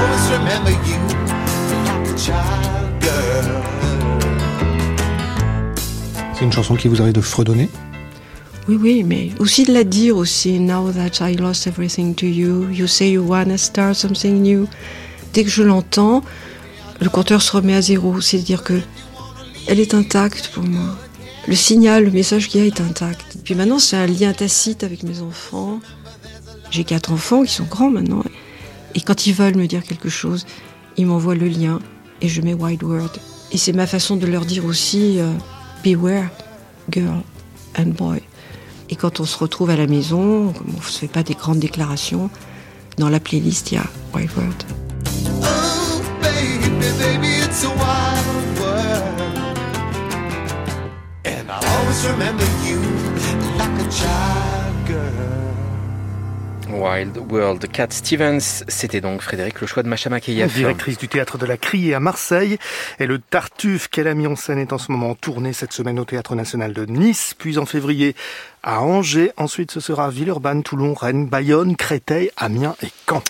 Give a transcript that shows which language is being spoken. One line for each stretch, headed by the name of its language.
English: Remember you, not the child girl.
French: C'est une chanson qui vous arrive de fredonner? Oui, oui, mais aussi de la dire aussi.
English: Now that I lost everything to you, you say you wanna start something new.
French: Dès que je l'entends, le compteur se remet à zéro. C'est-à-dire que elle est intacte pour moi. Le signal, le message qu'il y a est intact. Puis maintenant, c'est un lien tacite avec mes enfants. J'ai quatre enfants qui sont grands maintenant. Et quand ils veulent me dire quelque chose, ils m'envoient le lien et je mets Wild World. Et c'est ma façon de leur dire aussi
English: Beware, girl and boy.
French: Et quand on se retrouve à la maison, comme on ne se fait pas des grandes déclarations, dans la playlist, il y a Wild World.
English: Oh, baby, baby, it's a wild world. And I'll always remember you like a child girl. Wild World, Cat Stevens.
French: C'était donc, Frédéric, le choix de Macha Makeyev. Directrice du Théâtre de la Criée à Marseille. Et le Tartuffe qu'elle a mis en scène est en ce moment en tournée cette semaine au Théâtre National de Nice, puis en février à Angers. Ensuite, ce sera Villeurbanne, Toulon, Rennes, Bayonne, Créteil, Amiens et Caen.